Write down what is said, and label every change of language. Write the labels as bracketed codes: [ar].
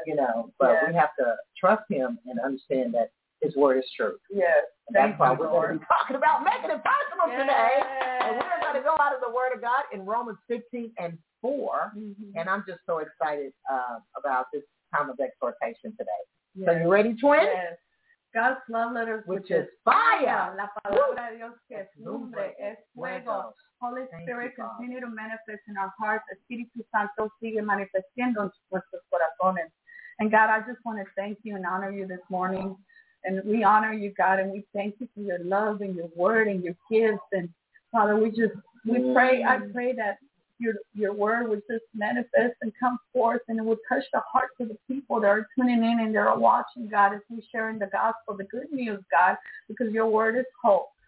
[en] You know, but we have to trust him and understand that his word is true. Yes. That's Thank why you, we're Lord. Going to be talking about making it possible today. Yes. And we're going to go out of the word of God in Romans 15 and 4. Mm-hmm. And I'm just so excited about this time of exhortation today. Yes. So you ready, twin? Yes. God's love letters, which is fire. [es] La palabra de Dios que es lumbre, es fuego. [en] Holy Spirit, continue to manifest in our hearts. [es] Espíritu Santo sigue manifestando en nuestros corazones. [en] And God, I just want to thank you and honor you this morning. And we honor you, God, and we thank you for your love and your word and your gifts. And Father, I pray that your word would just manifest and come forth, and it would touch the hearts of the people that are tuning in and they're watching, God, as we're sharing the gospel, the good news, God, because your word is hope.